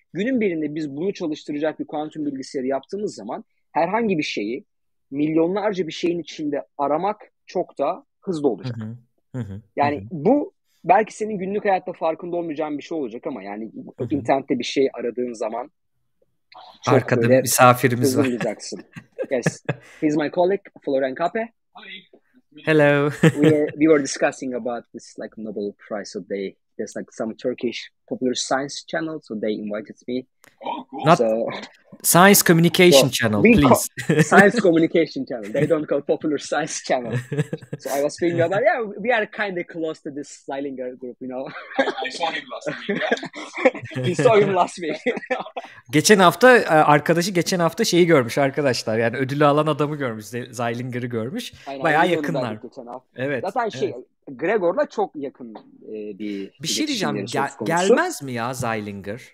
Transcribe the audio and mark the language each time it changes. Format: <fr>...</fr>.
<tr>Günün birinde biz bunu çalıştıracak bir kuantum bilgisayarı yaptığımız zaman herhangi bir şeyi milyonlarca bir şeyin içinde aramak çok daha hızlı olacak. Yani bu belki senin günlük hayatta farkında olmayacağın bir şey olacak ama yani internette bir şey aradığın zaman çok arkada böyle misafirimiz var. Olacaksın.</tr> <en>Yes. He's my colleague, Florian Kape. Hi. Hello. We were discussing about this like Nobel Prize of Day. There's like some Turkish popular science channel, so they invited me. Oh, cool. Not, so, Science Communication Channel, please. Science Communication Channel. They don't call popular science channel. So I was thinking about, yeah, we are kind of close to this Zeilinger group, you know. I saw him last week. Yeah. He saw him last week.</en> <tr>Geçen hafta, arkadaşı geçen hafta şeyi görmüş arkadaşlar. Yani ödülü alan adamı görmüş. Zeilinger'ı görmüş. Aynen, bayağı yakınlar. Evet. Zaten şey, evet. Gregor'la çok yakın bir şey diyeceğim. Gelmez mi ya Zeilinger?</tr>